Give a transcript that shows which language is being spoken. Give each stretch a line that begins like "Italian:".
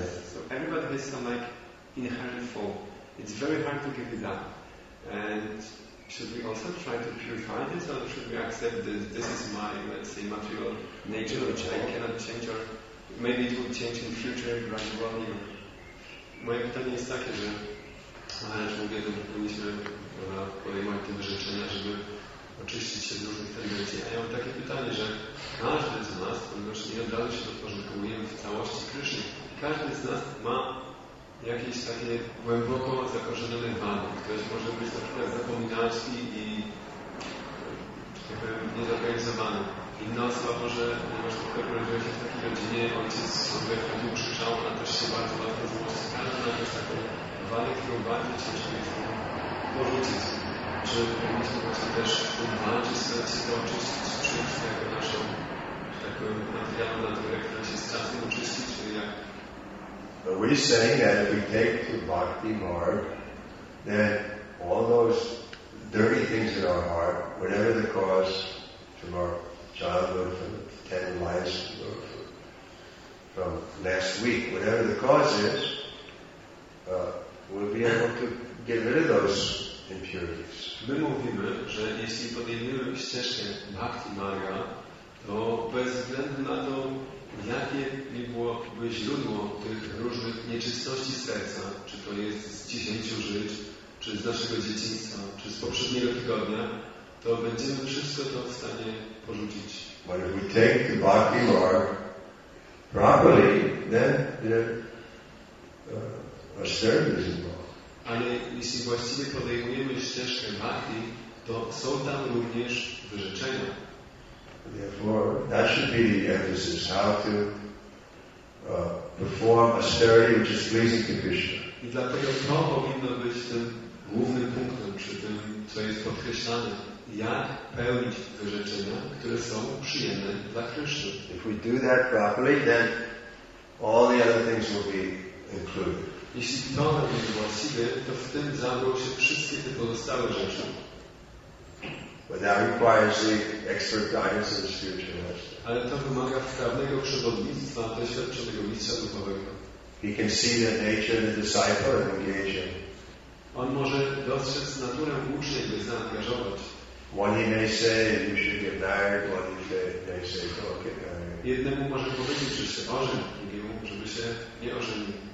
English: So everybody has some like inherent fault. It's very hard to give it up. And should we also try to purify this, or should we accept that this is my, let's say, material nature, which I cannot change, or maybe it will change in future gradually?
Polish: Moje pytanie jest takie, że mówię, że powinniśmy podejmować te wyrzeczenia, żeby oczyścić się z różnych tendencji. A ja mam takie pytanie, że każdy z nas, ponieważ nie od razu się podporządkowujemy w całości Krishna, każdy z nas ma jakieś takie głęboko zakorzenione wady. Ktoś może być na przykład zapominalski i niezorganizowany. Inna osoba może, ponieważ tutaj urodziła się w takiej rodzinie, ojciec sobie wchodził, krzyczał, a też się bardzo łatwo złości. Każdy ma też taką wadę, którą bardzo ciężko jest porzucić. Czy powinniśmy właśnie też walczyć, starać się to oczyścić, przyjąć to jako naszą taką materialną naturę, która się z czasem oczyści, czy jak?
English: But we're saying that if we take to bhakti marg, then all those dirty things in our heart, whatever the cause, from our childhood, from the 10 lives, from last week, whatever the cause is, we'll be able to get rid of those impurities.
Polish: My mówimy, że jeśli podejmiemy ścieżkę bhakti marga, to bez względu na to, jakie by byłoby źródło tych różnych nieczystości serca, czy to jest z 10 żyć, czy z naszego dzieciństwa, czy z poprzedniego tygodnia, to będziemy wszystko to w stanie porzucić.
English: But if we take the bhakti mark properly, then austerity is involved.
Polish: Ale jeśli właściwie podejmujemy ścieżkę bhakti, to są tam również wyrzeczenia.
English: Therefore, that should be the emphasis, how to perform austerity which is pleasing to Krishna.
Polish: I dlatego to powinno być tym głównym punktem, czy tym, co jest podkreślane, jak pełnić wyrzeczenia, które są przyjemne dla Kryszny.
English: If we do that properly, then all the other things will be included.
Polish: Jeśli to będzie właściwe, to w tym zawrą się wszystkie te pozostałe rzeczy.
English: But that requires the expert guidance of the spiritual master.
Polish: Ale to wymaga wprawnego przewodnictwa, doświadczonego mistrza duchowego.
English: He can see the nature of the disciple and engage him.
Polish: On może dostrzec naturę ucznia i zaangażować.
English: One he may say, you should get married. One he may say, don't get married.
Polish: Jednemu może powiedzieć, że się ożeń, drugiemu, żeby się nie ożenił.